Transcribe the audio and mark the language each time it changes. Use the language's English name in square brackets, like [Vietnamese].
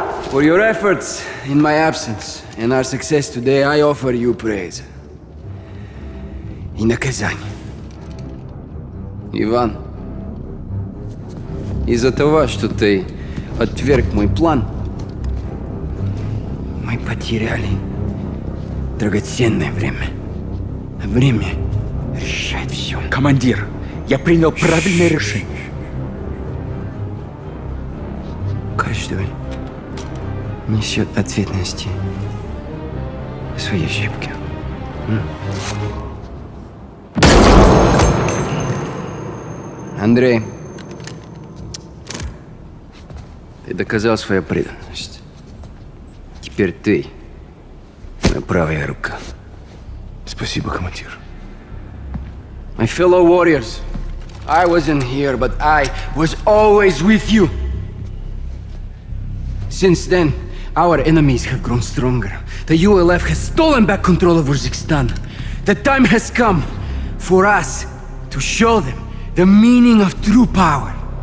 [English] For your efforts in my absence and our success today, I offer you praise. In a Kazan. [Russian] Иван, из-за того, что ты отверг мой план, мы потеряли драгоценное время. Время решает все. Командир! Я принял правильное решение. Каждый несет ответственности за свои ошибки. Андрей, ты доказал свою преданность. Теперь ты моя правая рука. Спасибо, командир. [English] My fellow warriors, I wasn't here, but I was always with you. Since then, our enemies have grown stronger. The ULF has stolen back control of Urzikstan. The time has come for us to show them the meaning of true power.